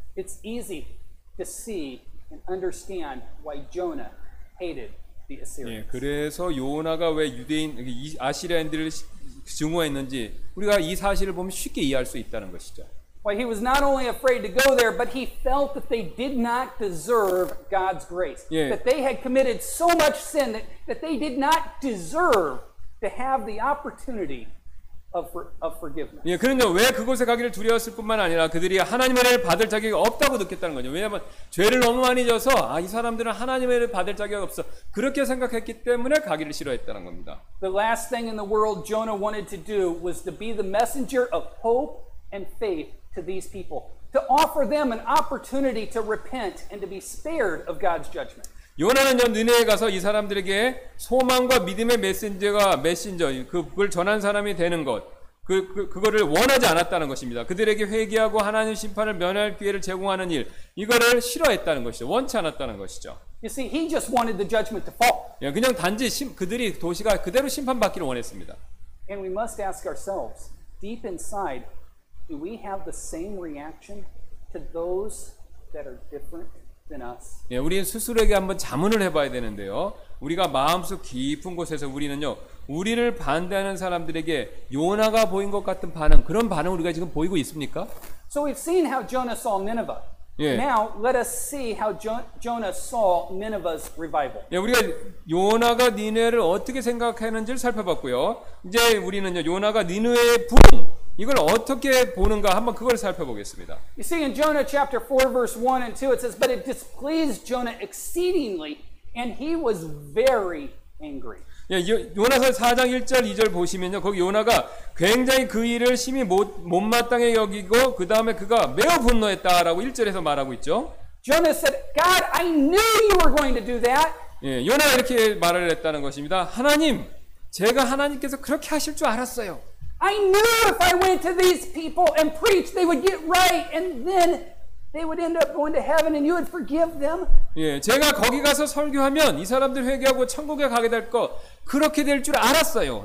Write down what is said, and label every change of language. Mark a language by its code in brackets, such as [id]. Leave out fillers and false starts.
[en] It's easy to see and understand why Jonah hated the Assyrians. [ko] 예, 그래서 요나가 왜 유대인 아시리아인들을 증오했는지 우리가 이 사실을 보면 쉽게 이해할 수 있다는 것이죠. [en] Why he was not only afraid to go there, but he felt that they did not deserve God's grace. [ko] 예. [en] That they had committed so much sin that they did not deserve to have the opportunity of forgiveness. [ko] 예, 그런데 왜 그곳에 가기를 두려웠을 뿐만 아니라 그들이 하나님의 은혜를 받을 자격이 없다고 느꼈다는 거죠. 왜냐하면 죄를 너무 많이 져서 아, 이 사람들은 하나님의 은혜를 받을 자격이 없어 그렇게 생각했기 때문에 가기를 싫어했다는 겁니다. [en] The last thing in the world Jonah wanted to do was to be the messenger of hope and faith. To these people, to offer them an opportunity to repent and to be spared of God's judgment. [ko] 요나는요 느네에 가서 이 사람들에게 소망과 믿음의 메신저가 메신저 그걸 전한 사람이 되는 것 그거를 원하지 않았다는 것입니다. 그들에게 회개하고 하나님 심판을 면할 기회를 제공하는 일 이거를 싫어했다는 것이죠. 원치 않았다는 것이죠. [en] You see, he just wanted the judgment to fall. [ko] 예, 그냥 단지 그들이 도시가 그대로 심판받기를 원했습니다. [en] And we must ask ourselves deep inside. Do we have the same reaction to those that are different than us? [ko] 예, 우리는 스스로에게 한번 자문을 해봐야 되는데요. 우리가 마음속 깊은 곳에서 우리는요, 우리를 반대하는 사람들에게 요나가 보인 것 같은 반응, 그런 반응 우리가 지금 보이고 있습니까? [en] So we've seen how Jonah saw Nineveh. [ko] 예. [en] Now let us see how Jonah saw Nineveh's revival. [ko] 예, 우리가 요나가 니느웨를 어떻게 생각했는지를 살펴봤고요. 이제 우리는요, 요나가 니느웨의 부흥 이걸 어떻게 보는가 한번 그걸 살펴보겠습니다. [en] You see in Jonah chapter 4 verse 1 and 2 it says but it displeased Jonah exceedingly and he was very angry. [ko] 예, 요나서 4장 1절 2절 보시면요. 거기 요나가 굉장히 그 일을 심히 못마땅해 여기고 그다음에 그가 매우 분노했다라고 1절에서 말하고 있죠. [en] Jonah said God I knew you were going to do that. [ko] 예, 요나가 이렇게 말을 했다는 것입니다. 하나님 제가 하나님께서 그렇게 하실 줄 알았어요. [en] I knew if I went to these people and preached, they would get right, and then they would end up going to heaven, and you would forgive them. [ko] 예, 제가 거기 가서 설교하면 이 사람들 회개하고 천국에 가게 될 거 그렇게 될 줄 알았어요.